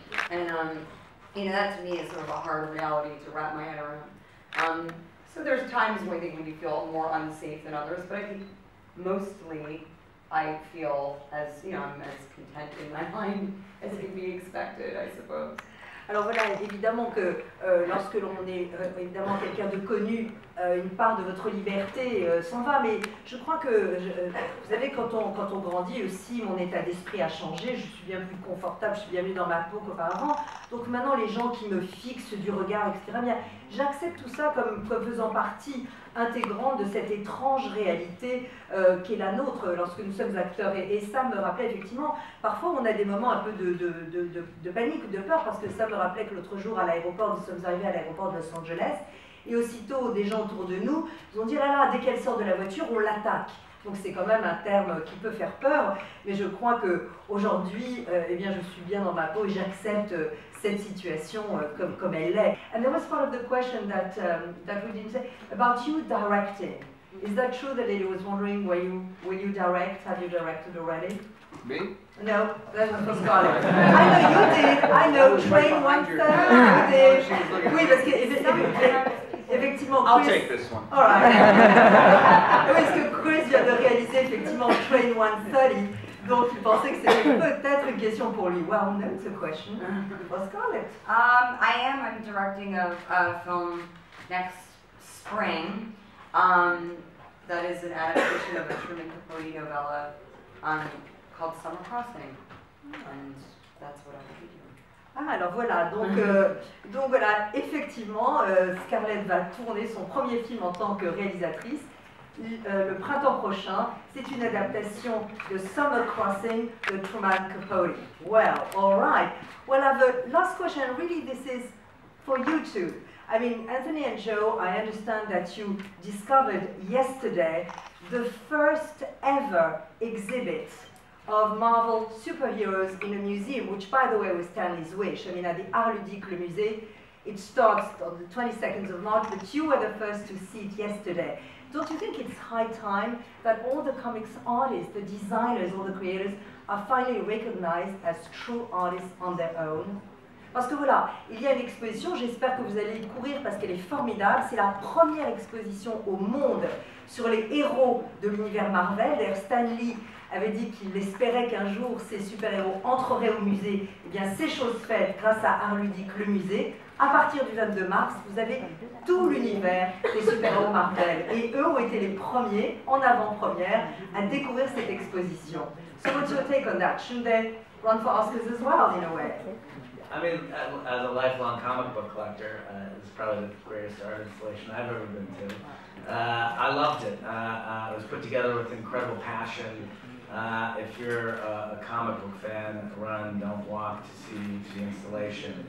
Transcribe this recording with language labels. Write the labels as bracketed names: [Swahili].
[English] And, you know, that to me is sort of a hard reality to wrap my head around. So there's times when I think when you feel more unsafe than others, but I think mostly I feel as, you know, I'm as content in my mind as can be expected, I suppose. [French] Alors voilà, évidemment que lorsque l'on est évidemment quelqu'un de connu, une part de votre liberté s'en va. Mais je crois que, vous savez, quand on grandit aussi, mon état d'esprit a changé. Je suis bien plus confortable, je suis bien mieux dans ma peau qu'auparavant. Donc maintenant, les gens qui me fixent du regard, etc., bien, j'accepte tout ça comme faisant partie intégrante de cette étrange réalité qui est la nôtre lorsque nous sommes acteurs. Et ça me rappelait effectivement, parfois on a des moments un peu de panique ou de peur, parce que ça me rappelait que l'autre jour à l'aéroport, nous sommes arrivés à l'aéroport de Los Angeles, et aussitôt des gens autour de nous nous ont dit « là là, dès qu'elle sort de la voiture, on l'attaque ». Donc c'est quand même un terme qui peut faire peur, mais je crois qu'aujourd'hui, eh bien, je suis bien dans ma peau et j'accepte cette situation comme elle est. [English] And there was part of the question that that we didn't say about you directing. Is that true? The lady was wondering will you direct? Have you directed already? Me? No, that's Scarlett. I know you did. I know. Train one third. You did. [French] Oui, parce que effectivement, [English] Chris. I'll take this one. All right. [French] Parce que Chris vient de réaliser effectivement Train one third. Donc, tu pensais que c'était peut-être une question pour lui. [English] Well, no, it's a question. Well, Scarlett. I'm directing a film next spring. That is an adaptation of a Truman Capote novella called Summer Crossing. And that's what I'm thinking. [French] Ah, alors voilà, donc voilà, effectivement, Scarlett va tourner son premier film en tant que réalisatrice. Le printemps prochain, c'est une adaptation de Summer Crossing de Truman Capote. [English] Well, all right. Well, the last question, really, this is for you two. I mean, Anthony and Joe, I understand that you discovered yesterday the first ever exhibit of Marvel superheroes in a museum, which, by the way, was Stanley's wish. I mean, at the Art Ludique, Le Musée, it starts on the 22nd of March, but you were the first to see it yesterday. Don't you think it's high time that all the comics artists, the designers, all the creators, are finally recognized as true artists on their own? [French] Parce que voilà, il y a une exposition, j'espère que vous allez y courir parce qu'elle est formidable. C'est la première exposition au monde sur les héros de l'univers Marvel. D'ailleurs, Stan Lee avait dit qu'il espérait qu'un jour ces super-héros entreraient au musée. Eh bien, c'est chose faite grâce à Art Ludique, le musée. À partir du 22 mars, vous avez tout l'univers des super-héros Marvel. Et eux ont été les premiers, en avant-première, à découvrir cette exposition. [English] So what's your take on that? Shouldn't they run for Oscars as well, in a way? I mean, as a lifelong comic book collector, it's probably the greatest art installation I've ever been to. I loved it. It was put together with incredible passion. If you're a comic book fan, run, don't walk to see the installation.